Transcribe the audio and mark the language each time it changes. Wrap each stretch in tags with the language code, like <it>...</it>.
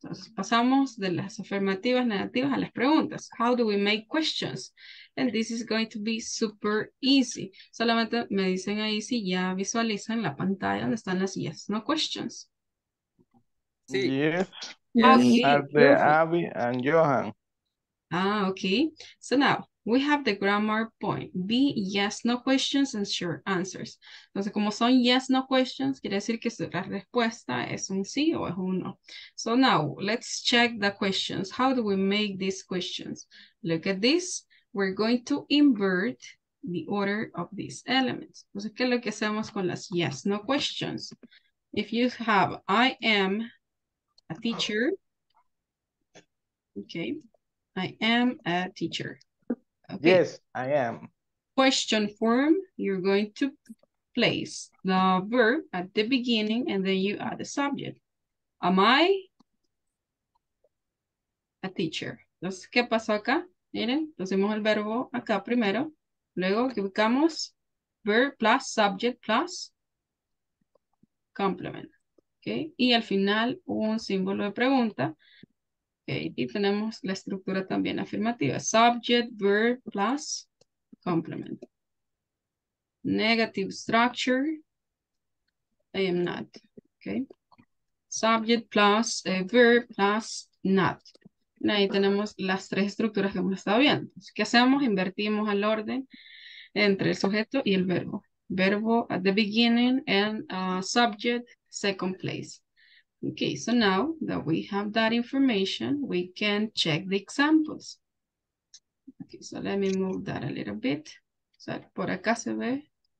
<es>Entonces, pasamos de las afirmativas negativas a las preguntas.</es> <en>How do we make questions? And this is going to be super easy.</en> <es>Solamente me dicen ahí si ya visualizan la pantalla donde están las yes, no questions.</es> <en>Sí. Yes. Okay. Abby and Johan. Ah, okay. So now we have the grammar point. B, yes, no questions and sure answers.</en> <es>Entonces, como son yes, no questions, quiere decir que la respuesta es un sí o es un no.</es> <en>So now, let's check the questions. How do we make these questions? Look at this. We're going to invert the order of these elements.</en> <es>Entonces, ¿qué es lo que hacemos con las yes, no questions?</es> <en>If you have, I am a teacher. Okay. I am a teacher. Okay. Yes, I am. Question form, you're going to place the verb at the beginning and then you add the subject. Am I a teacher?</en> <es>Entonces, ¿qué pasó acá? Miren, pusimos el verbo acá primero. Luego, ¿qué buscamos?</es> <en>Verb plus subject plus complement. Okay.</en> <es>Y al final, un símbolo de pregunta. Okay. Y tenemos la estructura también afirmativa.</es> <en>Subject, verb, plus, complement. Negative structure. I am not. Okay. Subject, plus, verb, plus, not.</en> <es>Y ahí tenemos las tres estructuras que hemos estado viendo. ¿Qué hacemos? Invertimos el orden entre el sujeto y el verbo.</es> <en>Verbo at the beginning and subject, second place. Okay, so now that we have that information, we can check the examples. Okay, so let me move that a little bit.</en> <es>So, por acá se ve.</es>